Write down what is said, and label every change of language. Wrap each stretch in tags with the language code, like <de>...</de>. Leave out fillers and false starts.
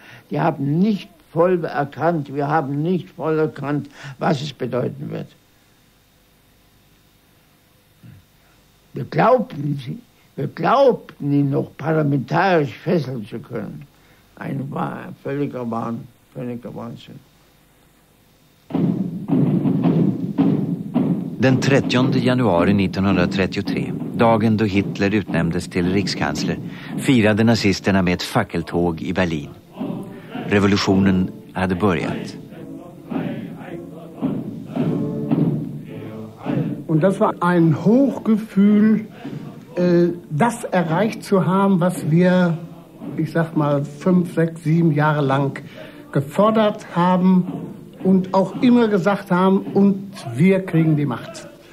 <de>Die haben nicht voll erkannt, wir haben nicht voll erkannt, was es bedeuten wird. Wir glaubten ihn noch parlamentarisch fesseln zu können. Ein völliger Wahnsinn.</de> <sv>Den 30 januari 1933, dagen då Hitler utnämndes till rikskansler, firade nazisterna med ett fackeltåg i Berlin. Revolutionen hade börjat.</sv> <de>Und das war ein Hochgefühl, das erreicht zu haben, was wir, ich sag mal, 5, 6, 7 Jahre lang gefordert haben und auch immer gesagt haben, und wir kriegen die Macht.</de>